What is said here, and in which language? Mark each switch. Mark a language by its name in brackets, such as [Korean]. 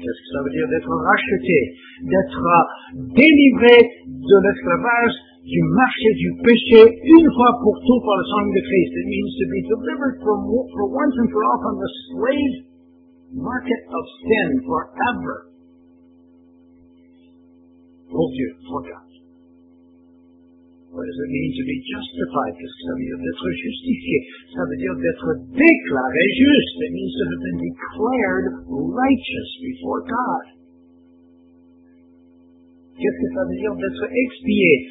[French] Qu'est-ce que ça veut dire d'être racheté? D'être délivré de l'esclavage du marché du péché une fois pour tout par le sang de Christ. [English] It means to be delivered for once and for all from the slave market of sin forever. [French] Pour Dieu, pour [English] God. What does it mean to be justified? [French] Qu'est-ce que ça veut dire d'être justifié? Ça veut dire d'être déclaré juste. [English] It means to have been declared righteous before God. [French] Qu'est-ce que ça veut dire d'être expié?